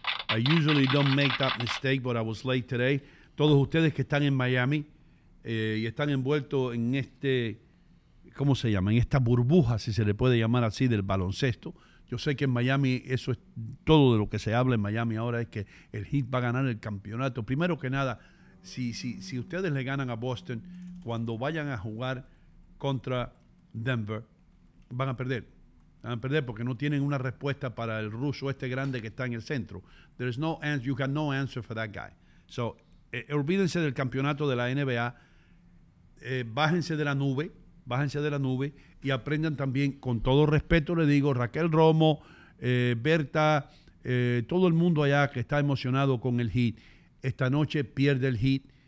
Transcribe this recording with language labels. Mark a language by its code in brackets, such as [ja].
[en] I usually don't make that mistake, but I was late today. [es] Todos ustedes que están en Miami y están envueltos en este, ¿cómo se llama? En esta burbuja, si se le puede llamar así, del baloncesto. Yo sé que en Miami eso es todo de lo que se habla en Miami ahora, es que el Heat va a ganar el campeonato. Primero que nada, si ustedes le ganan a Boston, cuando vayan a jugar contra Denver, van a perder porque no tienen una respuesta para el ruso este grande que está en el centro. [en] There is no answer, you got no answer for that guy. [es] So, olvídense del campeonato de la NBA, bájense de la nube y aprendan también, con todo respeto le digo, Raquel Romo, Berta, todo el mundo allá que está emocionado con el Heat, esta noche pierde el Heat.